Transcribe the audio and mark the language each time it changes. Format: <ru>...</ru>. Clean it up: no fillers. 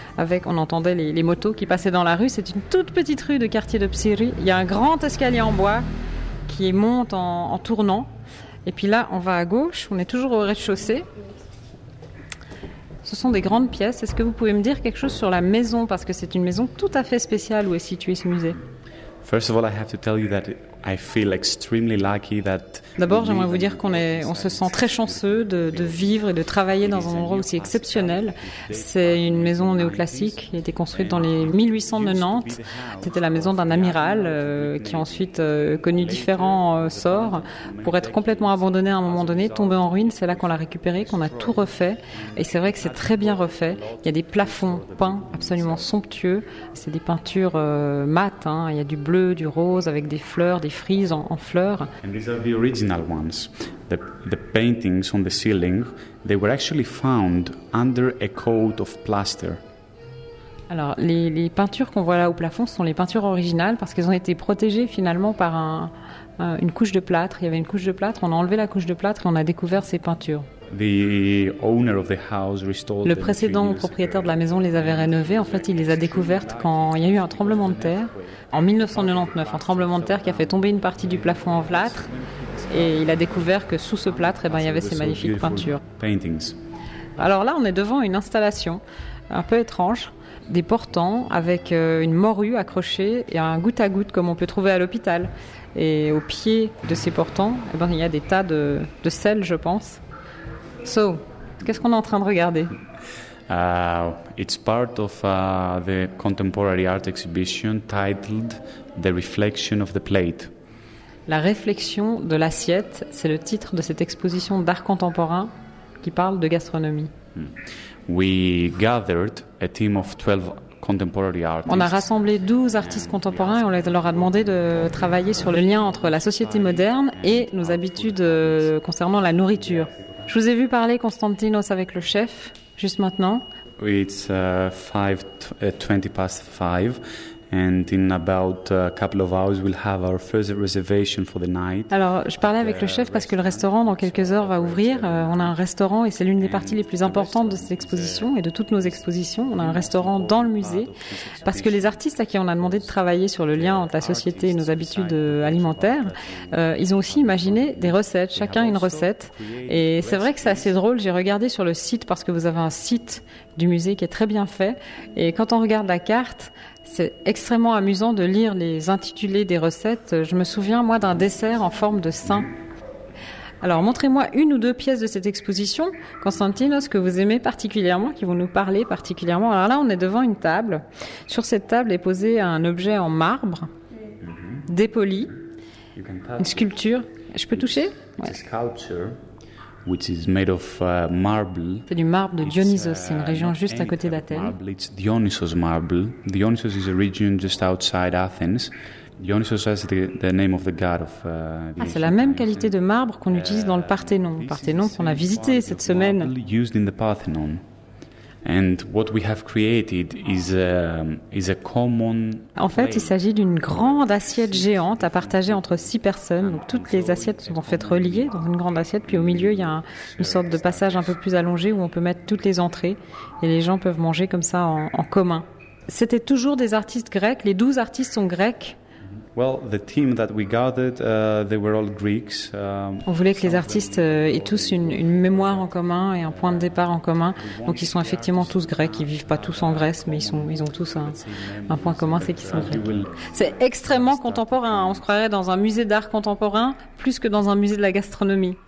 <fr>On entendait les motos qui passaient dans la rue. C'est une toute petite rue de quartier de Psiri. Il y a un grand escalier en bois qui monte en tournant. Et puis là, on va à gauche. On est toujours au rez-de-chaussée. Ce sont des grandes pièces. Est-ce que vous pouvez me dire quelque chose sur la maison? Parce que c'est une maison tout à fait spéciale où est situé ce musée.</fr> <en>First of all, I have to tell you that I feel extremely lucky that.</en> <fr>D'abord, j'aimerais vous dire qu'on se sent très chanceux de vivre et de travailler dans un endroit aussi exceptionnel. C'est une maison néoclassique qui a été construite dans les 1890. C'était la maison d'un amiral qui a ensuite connu différents sorts pour être complètement abandonné à un moment donné, tombé en ruine. C'est là qu'on l'a récupéré, qu'on a tout refait. Et c'est vrai que c'est très bien refait. Il y a des plafonds peints absolument somptueux. C'est des peintures mates. Hein. Il y a du bleu, du rose avec des fleurs, des frises en fleurs.</fr> <en>Original ones. The paintings on the ceiling, they were actually found under a coat of plaster.</en> <fr>Alors, les peintures qu'on voit là au plafond sont les peintures originales parce qu'elles ont été protégées finalement par une couche de plâtre. Il y avait une couche de plâtre, on a enlevé la couche de plâtre et on a découvert ces peintures.</fr> <en>The owner of the house restored.</en> <fr>Le précédent propriétaire de la maison les avait rénovées. En fait, il les a découvertes quand il y a eu un tremblement de terre. En 1999, un tremblement de terre qui a fait tomber une partie du plafond en plâtre. Et il a découvert que sous ce plâtre, eh ben, il y avait ces magnifiques peintures.</fr> <en>Paintings.</en> <fr>Alors là, on est devant une installation un peu étrange, des portants avec une morue accrochée et un goutte-à-goutte comme on peut trouver à l'hôpital. Et au pied de ces portants, eh ben, il y a des tas de sel, je pense. So, qu'est-ce qu'on est en train de regarder?</fr> <en>It's part of the contemporary art exhibition titled The Reflection of the Plate.</en> <fr>La réflexion de l'assiette, c'est le titre de cette exposition d'art contemporain qui parle de gastronomie.</fr> <en>We gathered a team of 12 contemporary artists.</en> <fr>On a rassemblé 12 artistes contemporains et on leur a demandé de travailler sur le lien entre la société moderne et nos habitudes concernant la nourriture. Je vous ai vu parler, Konstantinos, avec le chef, juste maintenant.</fr> <en>It's 20 past 5. And in about a couple of hours, we'll have our first reservation for the night.</en> <fr>Alors, je parlais avec le chef parce que le restaurant, dans quelques heures, va ouvrir. On a un restaurant et c'est l'une des parties les plus importantes de cette exposition et de toutes nos expositions. On a un restaurant dans le musée parce que les artistes à qui on a demandé de travailler sur le lien entre la société et nos habitudes alimentaires, ils ont aussi imaginé des recettes, chacun une recette. Et c'est vrai que c'est assez drôle. J'ai regardé sur le site parce que vous avez un site du musée qui est très bien fait. Et quand on regarde la carte, c'est extrêmement amusant de lire les intitulés des recettes. Je me souviens, moi, d'un dessert en forme de sein. Alors, montrez-moi une ou deux pièces de cette exposition, Konstantinos, que vous aimez particulièrement, qui vont nous parler particulièrement. Alors là, on est devant une table. Sur cette table est posé un objet en marbre, dépoli, une sculpture. Je peux toucher ?</fr> <en>Ouais. Which is made of marble.</en> <fr>C'est du marbre de Dionysos, c'est une région juste à côté d'Athènes.</fr> <en>Marble, it's Dionysos marble. Dionysos is a region just outside Athens. Dionysos is the name of the god of.</en> <fr>C'est la même qualité de marbre qu'on utilise dans le Parthénon. Parthénon qu'on a visité cette semaine.</fr> <en>Used in the Parthenon. And what we have created is a common.</en> <fr>En fait, il s'agit d'une grande assiette géante à partager entre 6 personnes. Donc, toutes les assiettes sont en fait reliées dans une grande assiette. Puis au milieu, il y a une sorte de passage un peu plus allongé où on peut mettre toutes les entrées et les gens peuvent manger comme ça en commun. C'était toujours des artistes grecs. Les 12 artistes sont grecs.</fr> <en>Well, the team that we gathered, they were all Greeks.</en> <fr>On voulait que les artistes aient tous une mémoire en commun et un point de départ en commun. Donc, ils sont effectivement tous grecs. Ils vivent pas tous en Grèce, mais ils ont tous un point commun, c'est qu'ils sont grecs. C'est extrêmement contemporain. On se croirait dans un musée d'art contemporain plus que dans un musée de la gastronomie.</fr>